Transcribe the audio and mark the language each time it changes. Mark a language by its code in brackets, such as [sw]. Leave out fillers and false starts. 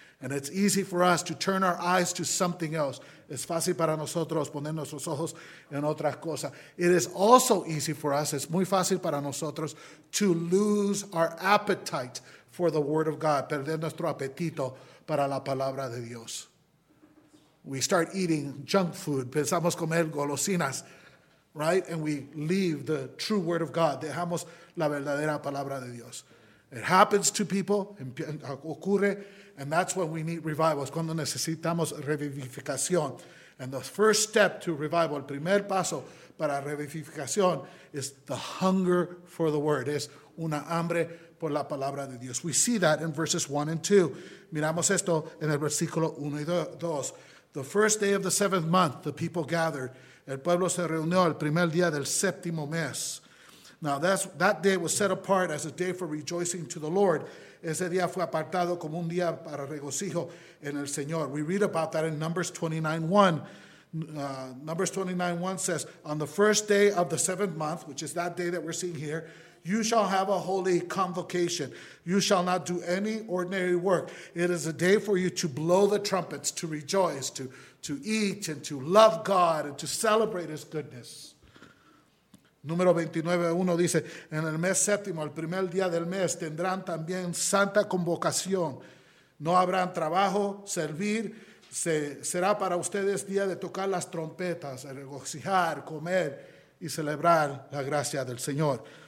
[en] And it's easy for us to turn our eyes to something else. [es] Es fácil para nosotros poner nuestros ojos en otras cosas. [en] It is also easy for us, [es] es muy fácil para nosotros, [en] to lose our appetite for the word of God, [es] perder nuestro apetito para la palabra de Dios. [en] We start eating junk food, [es] pensamos comer golosinas, [en] right? And we leave the true word of God, [es] dejamos la verdadera palabra de Dios. [en] It happens to people, [es] ocurre, [en] and that's when we need revival. [es] Es cuando necesitamos revivificación. [en] And the first step to revival, [es] el primer paso para revivificación, [en] is the hunger for the word. [es] Es una hambre por la palabra de Dios. [en] We see that in verses 1 and 2. [es] Miramos esto en el versículo 1 y 2. [en] The first day of the seventh month, the people gathered. [es] El pueblo se reunió el primer día del séptimo mes. [en] Now, that day was set apart as a day for rejoicing to the Lord. [es] Ese día fue apartado como un día para regocijo en el Señor. [en] We read about that in Numbers 29:1. Numbers 29:1 says, on the first day of the seventh month, which is that day that we're seeing here, you shall have a holy convocation. You shall not do any ordinary work. It is a day for you to blow the trumpets, to rejoice, to eat, and to love God, and to celebrate his goodness. [es] Número 29:1 dice, en el mes séptimo, el primer día del mes, tendrán también santa convocación. No habrán trabajo, servir, será para ustedes día de tocar las trompetas, regocijar, comer, y celebrar la gracia del Señor.